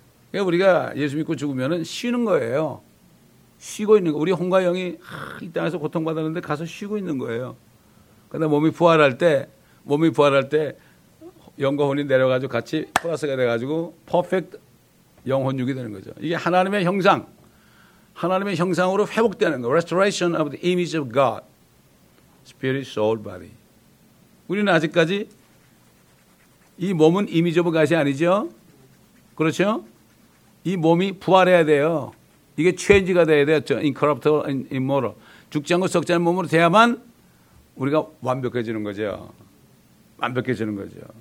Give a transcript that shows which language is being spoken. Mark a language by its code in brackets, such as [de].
[ko] 그러니까 우리가 예수 믿고 죽으면 쉬는 거예요. 쉬고 있는 거. 우리 혼과 영이 이 땅에서 고통받았는데 가서 쉬고 있는 거예요. 그런데 몸이 부활할 때 영과 혼이 내려가지고 같이 플러스가 돼가지고 퍼펙트 영혼육이 되는 거죠. 이게 하나님의 형상. 하나님의 형상으로 회복되는 거. [en] Restoration of the image of God. Spirit, soul, body. [ko] 우리는 아직까지 이 몸은 [en] image of God [ko] 이 아니죠. 그렇죠? 이 몸이 부활해야 돼요. 이게 change가 돼야 돼요. [en] Incorruptible and immortal. [ko] 죽지 않고 썩지 않은 몸으로 돼야만 우리가 완벽해지는 거죠. 완벽해지는 거죠.